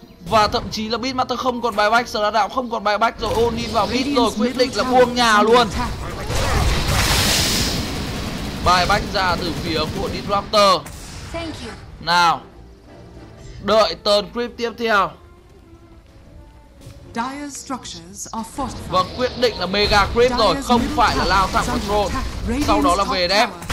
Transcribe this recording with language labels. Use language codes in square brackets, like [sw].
[vi] Và thậm chí là Beastmaster không còn buyback, Slada đạo không còn buyback rồi. Ôn đi vào mid rồi, quyết định là buông nhà luôn. Buyback ra từ phía của Disruptor. Nào, đợi turn creep tiếp theo. [en] Dire's structures are fortified. [vi] Và quyết định là mega creep rồi, không phải là lao thẳng vào drone. Sau đó là về đép.